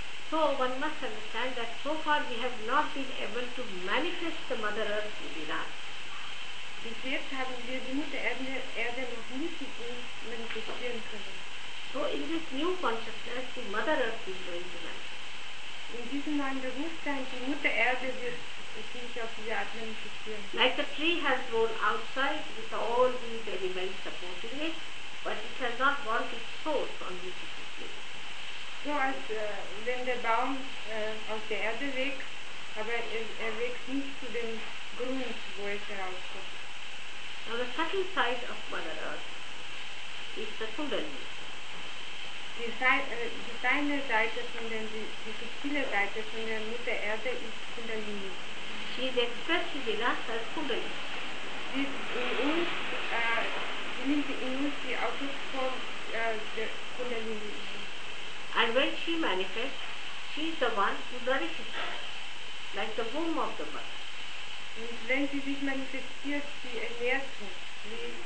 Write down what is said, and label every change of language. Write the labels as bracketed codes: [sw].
[en] So one must understand that so far we have not been able to manifest the Mother Earth within us. [de] Bis jetzt haben wir die Mutter Erde noch nicht manifestieren können. [en] So in this new consciousness, the Mother Earth is going to manifest. [de] In diesem neuen Bewusstsein, die Mutter Erde wird sich auf diese Art manifestieren. [en] Like a tree has grown outside with all these elements supporting it, but it has not brought its source on this tree. [de] So als wenn der Baum aus der Erde wächst, aber er wächst nicht zu dem Grund, wo es herauskommt. [en] Now the subtle side of Mother Earth is the Kundalini. [de] Die feine Seite von der, die subtile Seite von der Mutter Erde ist Kundalini. [en] She is expressed in us as Kundalini. [de] Sie ist in uns, sie nimmt in uns die Ausdrucksform der Kundalini. [en] And when she manifests, she is the one who nourishes her, like the womb of the mother. [de] Und wenn sie sich manifestiert, sie ernährt sie.